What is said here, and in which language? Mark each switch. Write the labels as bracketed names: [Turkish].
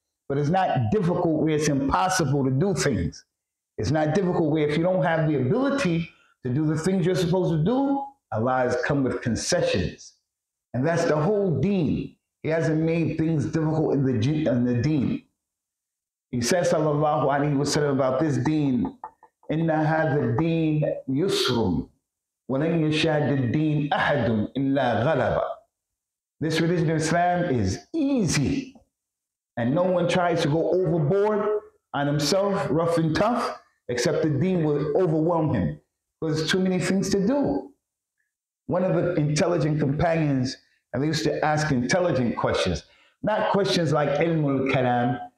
[English] But it's not difficult where it's impossible to do things. It's not difficult where if you don't have the ability to do the things you're supposed to do, Allah has come with concessions. And that's the whole deen. He hasn't made things difficult in the deen. He says, [Arabic] sallallahu alayhi wa sallam, [English] about this deen, [Arabic] إِنَّ هَذَا الدِّينَ يُسْرٌ وَلَنْ يَشَادِ الدِّينَ أَحَدٌ إِلَّا غَلَبًا. [English] This religion of Islam is easy. And no one tries to go overboard on himself, rough and tough, except the deen will overwhelm him because there's too many things to do. One of the intelligent companions, and they used to ask intelligent questions, not questions like ilmul kalam.